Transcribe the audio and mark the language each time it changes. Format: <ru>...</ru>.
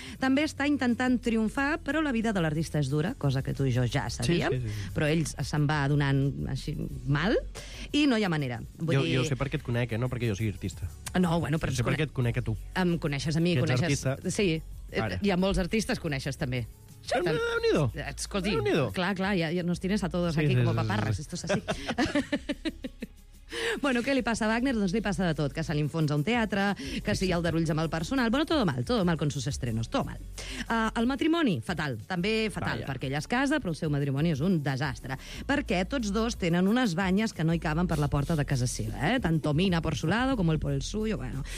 <ca>També està intentant triomfar, però la vida de l'artista és dura, cosa que tu i jo ja sabíem, sí. Però ell se'n va adonant així mal, i no hi ha manera. Jo sé per què et conec, no perquè jo sigui artista. No, bueno, però... Jo sé per què et conec a tu. Em coneixes a mi, coneixes... Artista. Sí, hi ha molts artistes que coneixes també. Escolti, clar,</ca> <es>ja nos tienes a todos aquí como paparras, esto es así.</es> <ca>Bueno, què li passa a Wagner? Doncs li passa de tot, que se li enfonsa un teatre, que si hi ha aldarulls amb el personal...</ca> <es>Bueno, todo mal con sus estrenos, todo mal.</es> <ca>El matrimoni, fatal, també fatal, perquè ella es casa, però el seu matrimoni és un desastre. Perquè tots dos tenen unes banyes que no hi caben per la porta de casa seva, eh?</ca> <es>Tanto mina por su lado como el por el suyo, bueno.</es>